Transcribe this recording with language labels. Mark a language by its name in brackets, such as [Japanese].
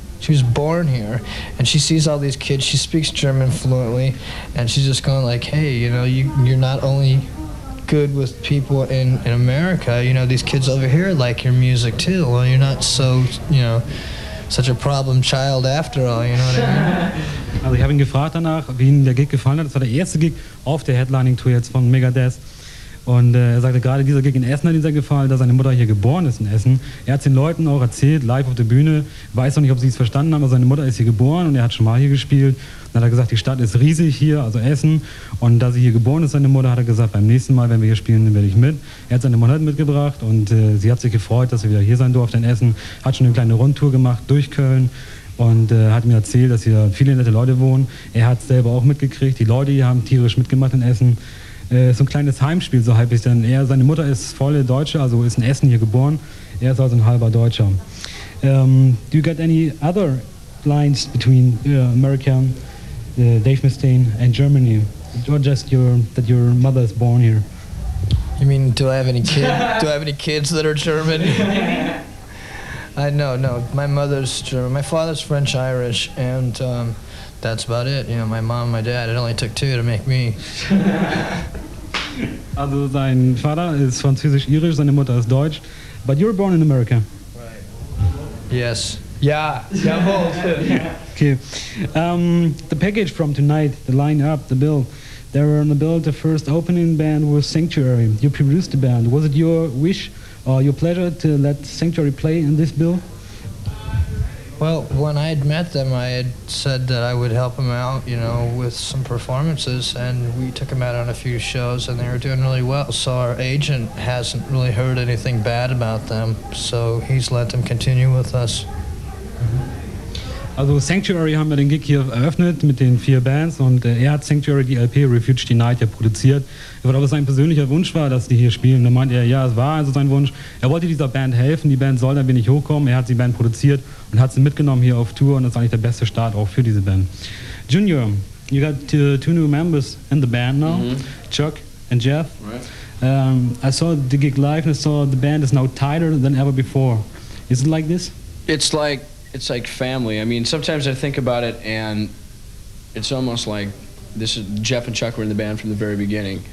[English] She was born here, and she sees all these kids. She speaks German fluently, and she's just going like, hey, you know, you're not only good with people in America, you know, these kids over here like your music too. Well, you're not so, you know, such a problem child after all, you know what I mean? [German] Also ich habe ihn gefragt danach, wie ihm der Gig gefallen hat. Das war der erste Gig auf der Headlining-Tour jetzt von Megadeth. Und er sagte, gerade dieser Gig in Essen hat ihm sehr gefallen, da seine Mutter hier geboren ist in Essen. Er hat es den Leuten auch erzählt, live auf der Bühne. Weiß noch nicht, ob sie es verstanden haben, aber seine Mutter ist hier geboren und er hat schon mal hier gespielt. Dann hat er gesagt, die Stadt ist riesig hier, also Essen. Und da sie hier geboren ist, seine Mutter, hat er gesagt, beim nächsten Mal, wenn wir hier spielen, dann werde ich mit. Er hat seine Mutter mitgebracht und sie hat sich gefreut, dass sie wieder hier sein durfte in Essen. Hat schon eine kleine Rundtour gemacht durch Köln. Und hat mir erzählt, dass hier viele nette Leute wohnen. Er hat es selber auch mitgekriegt. Die Leute hier haben tierisch mitgemacht in Essen. So ein kleines Heimspiel, so halb ich denn. Seine Mutter ist volle Deutsche, also ist in Essen hier geboren. Er ist also ein halber Deutscher. [English] Do you get any other lines between America, Dave Mustaine, and Germany? Or just that your mother is born here? You mean, do I have any kids that are German? No. My mother's German. My father's French-Irish, and that's about it. You know, my mom and my dad, it only took two to make me. [German] Also, sein Vater ist französisch-irisch, seine Mutter ist deutsch. [English] But you were born in America. Right. Yes. Yeah. Yeah, both. Okay. The package from tonight, the lineup, the bill. There were on the bill, the first opening band was Sanctuary. You produced the band. Was it your wish? Your pleasure to let Sanctuary play in this bill? Well, when I had met them, I had said that I would help them out, you know, with some performances, and we took them out on a few shows, and they were doing really well. So our agent hasn't really heard anything bad about them, so he's let them continue with us. [German] Also Sanctuary haben wir den Gig hier eröffnet mit den vier Bands und er hat Sanctuary, die LP Refuge Denied, ja produziert. Er wollte, ob es sein persönlicher Wunsch war, dass die hier spielen. Da meint er, ja, es war also sein Wunsch. Er wollte dieser Band helfen, die Band soll da wenig hochkommen. Er hat die Band produziert und hat sie mitgenommen hier auf Tour und das ist eigentlich der beste Start auch für diese Band. [English] Junior, you got two new members in the band now, Chuck and Jeff. Right. I saw the gig live and I saw the band is now tighter than ever before. Is it like this? It's like family. I mean, sometimes I think about it and it's almost like this is Jeff and Chuck were in the band from the very beginning.